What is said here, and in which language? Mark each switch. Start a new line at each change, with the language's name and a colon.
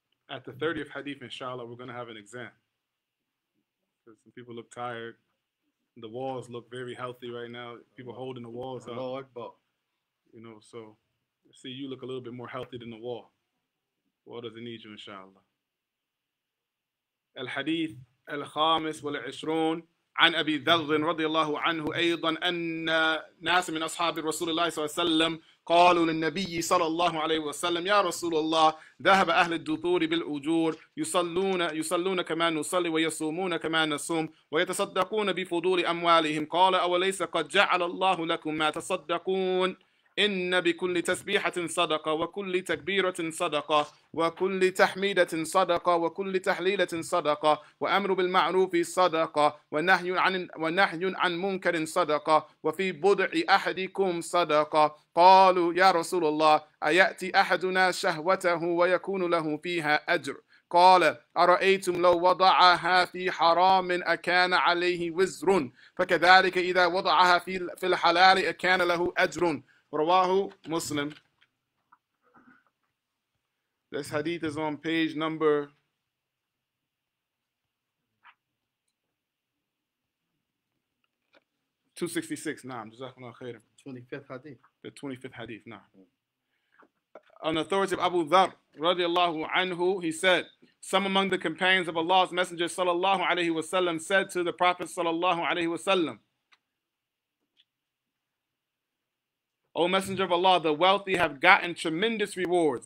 English: At the 30th hadith, inshallah, we're going to have an exam. Because some people look tired. The walls look very healthy right now. People holding the walls up.
Arabic: Allahu Akbar.
English: You know, so see, you look a little bit more healthy than the wall. Wall doesn't need you, inshallah.
Arabic: الحديث الخامس والعشرون عن أبي ذر رضي الله عنه أيضا أن ناس من أصحاب رسول الله صلى الله عليه وسلم قالوا للنبي صلى الله عليه وسلم يا رسول الله ذهب أهل الدثور بالأجور يصلون كما نصلي ويصومون كما نصوم ويتصدقون بفضول أموالهم قال أوليس قد جعل الله لكم ما تصدقون إن بكل تسبيحة صدقة وكل تكبيرة صدقة وكل تحميدة صدقة وكل تحليلة صدقة وأمر بالمعروف صدقة ونهي عن منكر صدقة وفي بضع أحدكم صدقة قالوا يا رسول الله أيأتي أحدنا شهوته ويكون له فيها أجر قال أرأيتم لو وضعها في حرام أكان عليه وزر فكذلك إذا وضعها في الحلال أكان له أجر رواه مسلم.
English: This hadith is on page number 266. Nah, 25th hadith. The 25th hadith. Nah. On the authority of Abu Dharr,
Arabic: radiallahu anhu,
English: he said, some among the companions of Allah's Messenger,
Arabic: sallallahu alayhi wasallam,
English: said to the Prophet, sallallahu alayhi wasallam, O Messenger of Allah, the wealthy have gotten tremendous rewards.